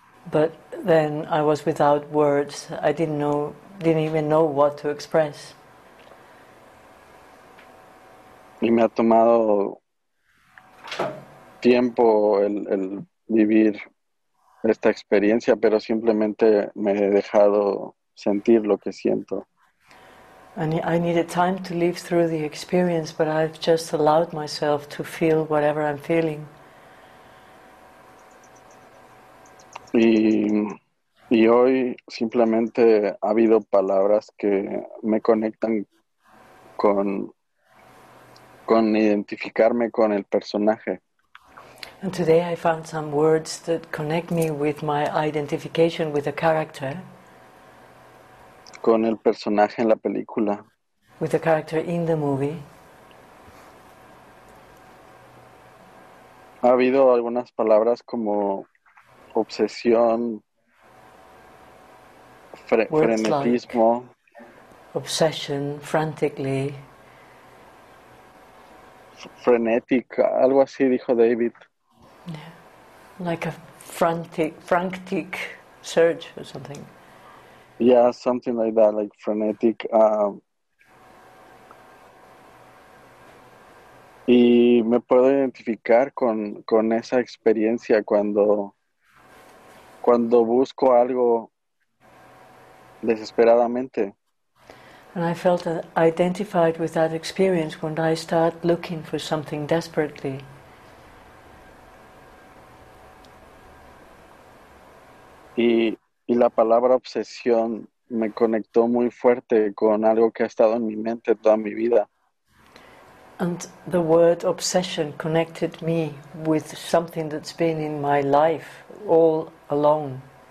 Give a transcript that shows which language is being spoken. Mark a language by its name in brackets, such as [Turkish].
[English] But then I was without words. I didn't even know what to express. [Spanish] Y me ha tomado tiempo el vivir esta experiencia, pero simplemente me he dejado sentir lo que siento. [English] And I needed time to live through the experience, but I've just allowed myself to feel whatever I'm feeling. [Spanish] Y hoy simplemente ha habido palabras que me conectan con identificarme con el personaje. [English] And today I found some words that connect me with my identification with the character. [Spanish] Con el personaje en la película. [English] With the character in the movie. [Spanish] Ha habido algunas palabras como obsesión, frenetismo. [English] Like obsession, frantically. [Spanish] Frenetic, algo así dijo David. [English] Yeah. Like a frantic surge or something. Yeah, something like that, like frenetic. [Spanish] Y me puedo identificar con esa experiencia cuando busco algo desesperadamente. [English] And I felt identified with that experience when I start looking for something desperately. [Spanish] Y la palabra obsesión me conectó muy fuerte con algo que ha estado en mi mente toda mi vida. [English] And the word obsession connected me with something that's been in my life all along.